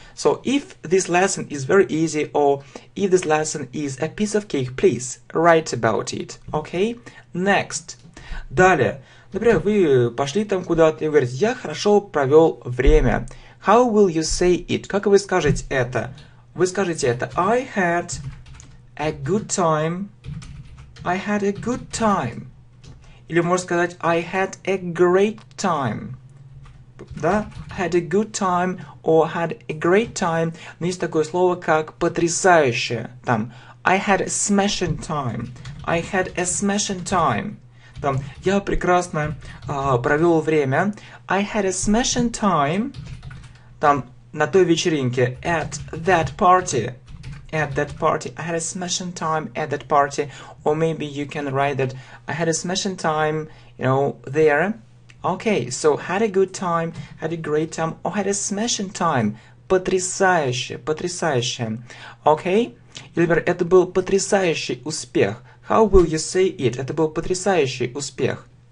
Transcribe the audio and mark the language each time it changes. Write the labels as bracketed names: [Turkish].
[English] So, if this lesson is very easy or if this lesson is a piece of cake, please write about it, okay? Next. [Russian] Далее. Например, вы пошли там куда-то и говорите, я хорошо провел время. [English] How will you say it? [Russian] Как вы скажете это? Вы скажете это. [English] I had a good time. [Russian] Или можно сказать, [English] I had a great time. Да, had a good time or had a great time. [Russian] Но есть такое слово, как потрясающе. [English] Там, I had a smashing time. [Russian] Там, я прекрасно провел время. [English] I had a smashing time. [Russian] Там, на той вечеринке. [English] At that party. at that party. I had a smashing time at that party. Or maybe you can write that I had a smashing time, you know, there. Okay, so had a good time, had a great time, or had a smashing time. [Russian] Потрясающе, потрясающе. [English] Okay? [Russian] Или, например, это был потрясающий успех. [English] How will you say it? [Russian] Это был потрясающий успех.